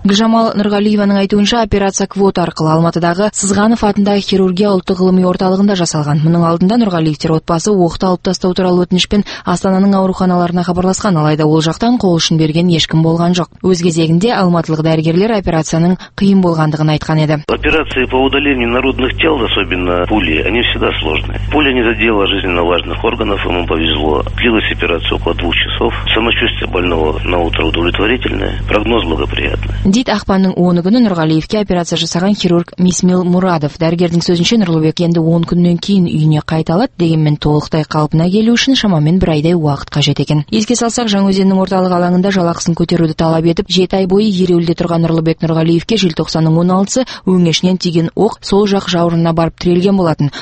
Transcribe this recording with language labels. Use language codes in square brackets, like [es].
[kk] Гүлжамал Нұрғалиеваның айтуынша, операция квот арқылы Алматыдағы Сызғанов атындағы хирургия ұлттық ғылыми орталығында жасалған. Мұның алдында Нұрғалиевтер отбасы оқты алып тастау туралы өтінішпен Астананың ауруханаларына хабарласқан, алайда ол жақтан қол ұшын берген ешкім болған жоқ. Өз кезегінде алматылық дәрігерлер операцияның қиын болғандығын айтқан еді. [ru] Операции по удалению народных тел, особенно пули, они всегда сложные. Пуля не задела жизненно важных органов, ему повезло. Длилась операция около 2 часов. Самочувствие больного на утро удовлетворительное, прогноз благоприятный. [kk] Дит ақпанның 10 күні Нұрғалиевке операция жасаған хирург Мисмил Мурадов. Дәрігердің сөзінше Нұрлыбек енді 10 күннен кейін үйіне қайта алады, дегенмен толықтай қалпына келу үшін шамамен бір айдай уақыт қажет екен. Еске салсақ, Жаңаөзеннің орталық алаңында жалақысын көтеруді талап етіп, 7 ай бойы ереуілде тұрған Нұрлыбек Нұрғалиевке 1990-ның 16-сы өңешінен тиген оқ сол жақ жауырына барып тірелген болатын.